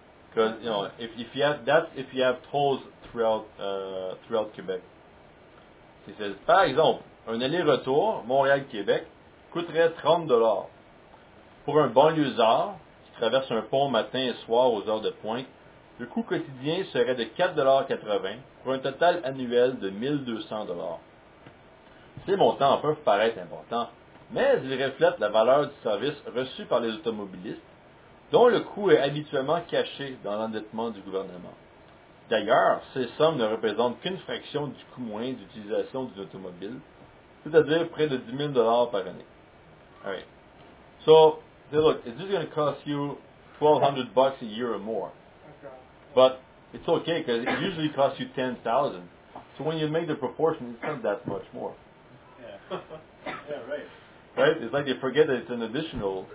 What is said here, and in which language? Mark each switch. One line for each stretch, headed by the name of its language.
English: Because you know, if you have tolls throughout Quebec.
French: He says, par exemple, un aller-retour Montréal-Québec coûterait $30. Pour un banlieusard qui traverse un pont matin et soir aux heures de pointe, le coût quotidien serait de $4.80 pour un total annuel de $1,200. Ces montants peuvent paraître importants, mais ils reflètent la valeur du service reçu par les automobilistes, dont le coût est habituellement caché dans l'endettement du gouvernement. D'ailleurs, ces sommes ne représentent qu'une fraction du coût moyen d'utilisation d'une automobile, c'est-à-dire près de $10,000 par année.
English: All right. So, they look, it's just going to cost you $1,200 a year or more. But it's okay, because it usually costs you $10,000. So when you make the proportion, it's not that much more. Yeah. Yeah, right. Right? It's like they forget that it's an additional.